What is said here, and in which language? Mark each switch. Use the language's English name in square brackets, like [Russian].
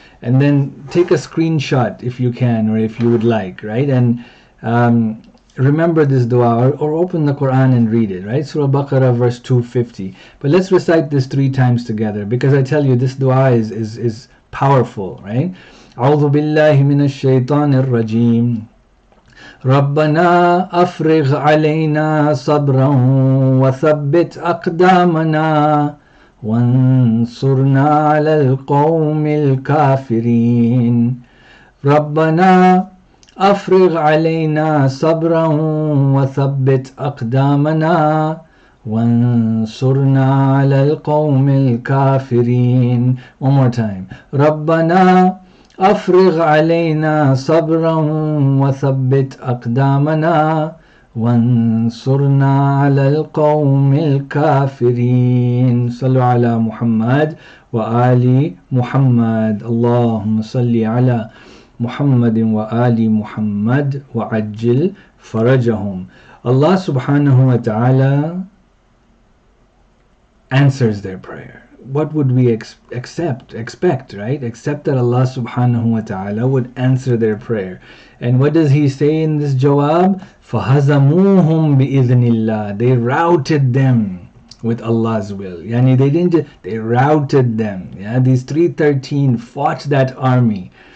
[English] And then take a screenshot if you can, or if you would like, right? And remember this dua, or open the Quran and read it, right? Surah Baqarah verse 250. But let's recite this 3 times together, because I tell you, this dua is powerful, right? [Arabic] أعوذ بالله من الشيطان الرجيم ربنا أفرغ علينا صبرا وثبت أقدامنا وانصرنا على القوم الكافرين ربنا أفرغ علينا صبرا وثبت أقدامنا وانصرنا على القوم الكافرين [English] One more time. [Arabic] ربنا أفرغ علينا صبرا وثبت أقدامنا وانصرنا على القوم الكافرين صل على محمد وآل محمد اللهم صل على محمد وآل محمد وعجل فرجهم الله سبحانه وتعالى [English] answers their prayer. What would we expect, right? Except that Allah subhanahu wa ta'ala would answer their prayer. And what does he say in this jawab? [Arabic] فَهَزَمُوهُمْ بِإِذْنِ اللَّهِ [English] They routed them with Allah's will. Yani they didn't, they routed them. Yeah, these 313 fought that army.